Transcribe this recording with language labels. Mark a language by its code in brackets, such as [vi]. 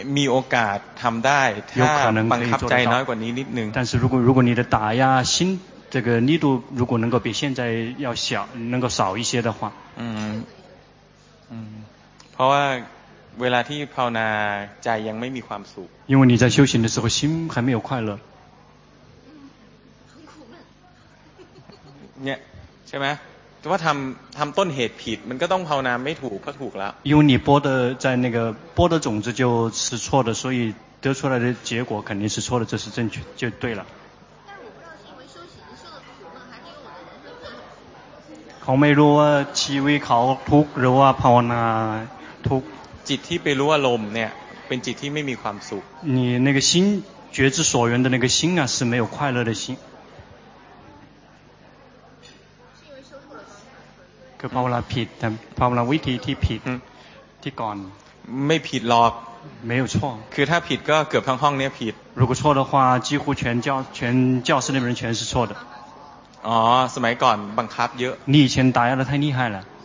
[th] มีโอกาสทำได้ถ้าบังคับใจน้อยกว่านี้นิดนึง [zh] 但是如果你的打压心这个力度如果能够比现在要小能够少一些的话 [th] เพราะว่าเวลาที่ภาวนาใจยังไม่มีความสุข [zh] 因为你在修行的时候心还没有快乐 [th] เนี่ยใช่ไหมแต่ว่าทำต้นเหตุผิดมันก็ต้องภาวนาไม่ถูกก็ถูกแล้ว [zh] 因为你播的在那个播的种子就是错的所以得出来的结果肯定是错的这是正确就对了 [th] เขาไม่รู้ว่าชีวิตเขาทุกข์หรือว่าภาวนาทุกข์ จิตที่ไปรู้อารมณ์เนี่ยเป็นจิตที่ไม่มีความสุข [zh] 你那个心觉知所缘的那个心啊是没有快乐的心 [th] คือภาวนาผิดภาวนาวิธีที่ผิดที่ก่อน ไม่ผิดหรอก [zh] 没有错 [th] คือถ้าผิดก็เกือบทั้งห้องเนี้ยผิด [zh] 如果错的话几乎全教室那边人全是错的 [th] อ๋อสมัยก่อนบังคับเยอะ [zh] 你以前打压的太厉害了